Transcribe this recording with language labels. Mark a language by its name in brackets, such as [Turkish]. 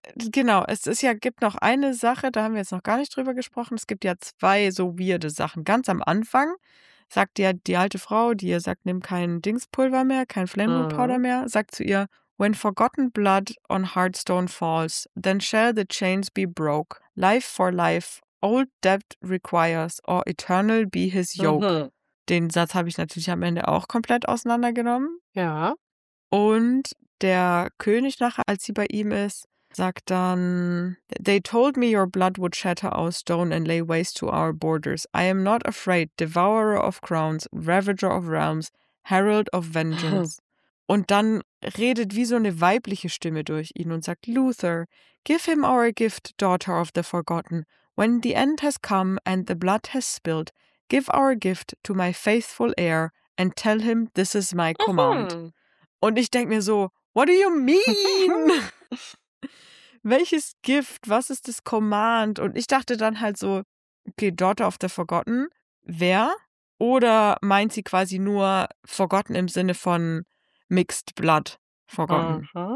[German] Genau, es ist ja, gibt noch eine Sache, da haben wir jetzt noch gar nicht drüber gesprochen. Es gibt ja zwei so weirde Sachen. Ganz am Anfang sagt ja die alte Frau, die ihr sagt, nimm kein Dingspulver mehr, kein Flammable Powder mehr, sagt zu ihr, [English] when forgotten blood on Hearthstone falls, then shall the chains be broke. Life for life, old debt requires, or eternal be his yoke. [German] Den Satz habe ich natürlich am Ende auch komplett auseinandergenommen. Ja. Und der König nachher, als sie bei ihm ist, sagt dann, [English] they told me your blood would shatter our stone and lay waste to our borders. I am not afraid, devourer of crowns, ravager of realms, herald of vengeance. [German] Und dann redet wie so eine weibliche Stimme durch ihn und sagt, [English] Luther, give him our gift, daughter of the forgotten. When the end has come and the blood has spilled, give our gift to my faithful heir and tell him this is my command. [German] Und ich denke mir so, [English] what do you mean? [German] Welches Gift? Was ist das Command? Und ich dachte dann halt so, okay, [English] Daughter of the Forgotten, [German] wer? Oder meint sie quasi nur Forgotten im Sinne von Mixed Blood Forgotten?